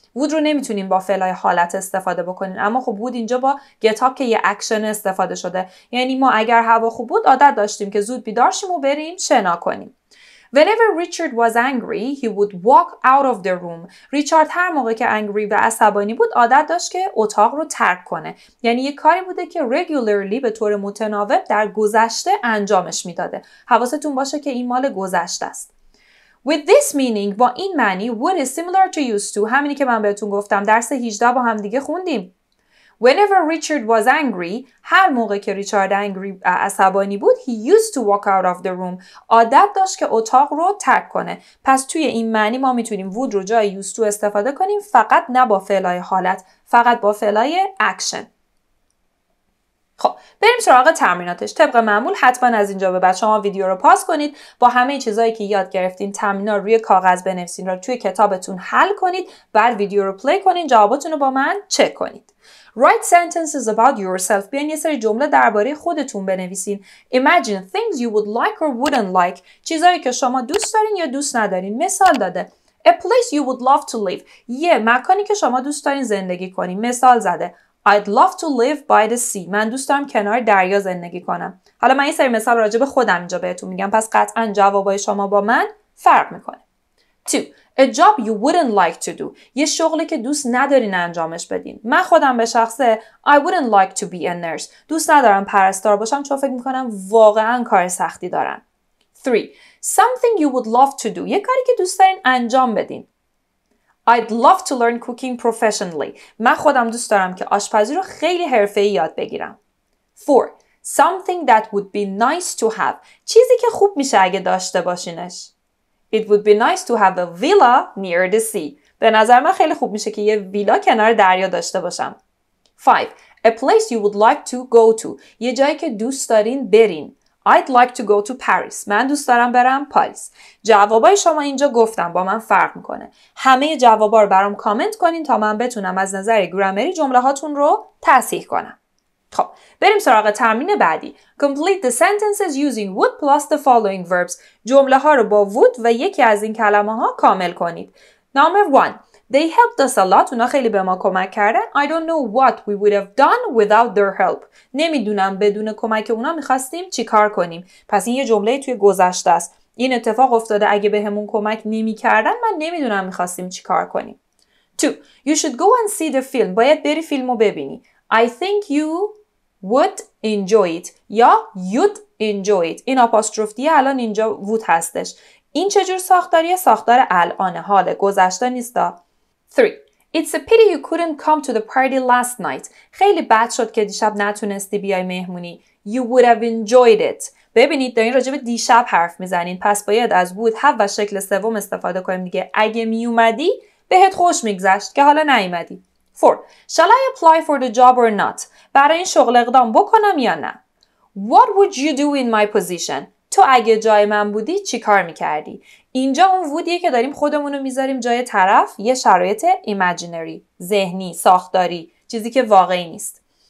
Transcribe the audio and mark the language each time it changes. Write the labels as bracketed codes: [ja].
[fa] وود رو نمیتونیم با فعلای حالت استفاده بکنین اما خب وود اینجا با گتاب که یه اکشن استفاده شده یعنی ما اگر هوا خوب بود عادت داشتیم که زود بیدار شیم و بریم شنا کنیم. [en] Whenever Richard was angry, he would walk out of the room. [fa] ریچارد هر موقع که angry و عصبانی بود عادت داشت که اتاق رو ترک کنه. یعنی یه کاری بوده که regularly به طور متناوب در گذشته انجامش میداده. حواستون باشه که این مال گذشته است. [en] With this meaning, [fa] با این معنی, [en] would is similar to used to. [fa] همینی که من بهتون گفتم. درس 18 با هم دیگه خوندیم. [en] Whenever Richard was angry, [fa] هر موقع که ریچارد [en] angry [fa] عصبانی بود, [en] he used to walk out of the room. [fa] عادت داشت که اتاق رو ترک کنه. پس توی این معنی ما میتونیم would رو جای used to استفاده کنیم فقط نه با فعلای حالت، فقط با فعلای action. خب بریم سراغ تمریناتش. طبق معمول حتما از اینجا به بعد شما ویدیو رو پاس کنید، با همه چیزایی که یاد گرفتین تمرینا روی کاغذ بنویسین، رو توی کتابتون حل کنید، بعد ویدیو رو پلی کنین، جواباتون رو با من چک کنید. [en] Write sentences about yourself. [fa] بیاین یه سری جمله درباره خودتون بنویسین. [en] Imagine things you would like or wouldn't like. [fa] چیزایی که شما دوست دارین یا دوست ندارین. مثال داده. [en] A place you would love to live. [fa] یه مکانی که شما دوست دارین زندگی کنین. مثال زده. [en] I'd love to live by the sea. [fa] من دوست دارم کنار دریا زندگی کنم. حالا من یه سری مثال راجع به خودم اینجا بهتون میگم، پس قطعاً جوابای شما با من فرق میکنه. [en] 2. A job you wouldn't like to do. [fa] یه شغلی که دوست ندارین انجامش بدین. من خودم به شخصه [en] I wouldn't like to be a nurse. [fa] دوست ندارم پرستار باشم، چون فکر میکنم واقعاً کار سختی دارن. [en] 3. Something you would love to do. [fa] یه کاری که دوست دارین انجام بدین. [en] I'd love to learn cooking professionally. [fa] من خودم دوست دارم که آشپزی رو خیلی حرفه‌ای یاد بگیرم. [en] 4. Something that would be nice to have. [fa] چیزی که خوب میشه اگه داشته باشینش. [en] It would be nice to have a villa near the sea. [fa] به نظر من خیلی خوب میشه که یه ویلا کنار دریا داشته باشم. 5. [en] A place you would like to go to. [fa] یه جایی که دوست دارین برین. [en] I'd like to go to Paris. [fa] من دوست دارم برم پاریس. جوابای شما اینجا گفتم با من فرق میکنه. همه جوابا رو برام کامنت کنین تا من بتونم از نظر گرامری جمله هاتون رو تصحیح کنم. خب بریم سراغ تمرین بعدی. [en] Complete the sentences using would plus the following verbs. [fa] جمله ها رو با would و یکی از این کلمه ها کامل کنید. [en] Number 1. They helped us a lot. [fa] اونا خیلی به ما کمک کردن. [en] I don't know what we would have done without their help. [fa] نمیدونم بدون کمک اونا میخواستیم چی کار کنیم. پس این یه جمله توی گذشته است. این اتفاق افتاده، اگه بهمون کمک نمیکردن من نمیدونم میخواستیم چی کار کنیم. [en] 2. You should go and see the film. [fa] باید بری فیلمو ببینی. [en] I think you would enjoy it. یا you'd enjoy it. [fa] این آپاستروفیه الان اینجا would هستش. این چجور ساختاریه؟ ساختار الان، حال گذشته نیستا. 3. [en] It's a pity you couldn't come to the party last night. [fa] خیلی بد شد که دیشب نتونستی بیای مهمونی. [en] You would have enjoyed it. [fa] ببینید دارین راجب دیشب حرف میزنین، پس باید از would have و شکل سوم استفاده کنیم دیگه. اگه میومدی بهت خوش میگذشت که حالا نیومدی. 4. [en] Shall I apply for the job or not? [fa] برای این شغل اقدام بکنم یا نه؟ [en] What would you do in my position? [fa] تو اگه جای من بودی چی کار میکردی؟ اینجا اون وودیه که داریم خودمونو میذاریم جای طرف، یه شرایط ایمجینری، ذهنی، ساختاری، چیزی که واقعی نیست.